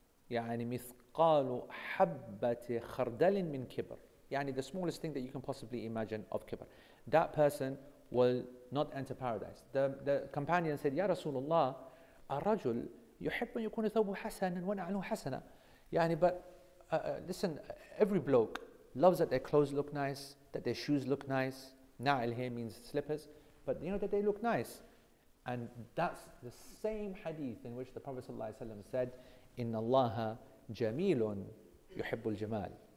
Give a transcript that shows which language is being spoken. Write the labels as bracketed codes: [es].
[ar] يعني مثقال حبة خردل من كبر. [en] يعني the smallest thing that you can possibly imagine of kibr. That person will not enter paradise. The companion said, Ya Rasulullah, [ar] الرجل يحب أن يكون ثوبه حسنا ونعله حسنا. [en] يعني listen, every bloke loves that their clothes look nice, that their shoes look nice. Na'il here means slippers, but you know that they look nice. And that's the same hadith in which the Prophet ﷺ said, [ar] إِنَّ اللَّهَ جَمِيلٌ يُحِبُّ الْجَمَالِ.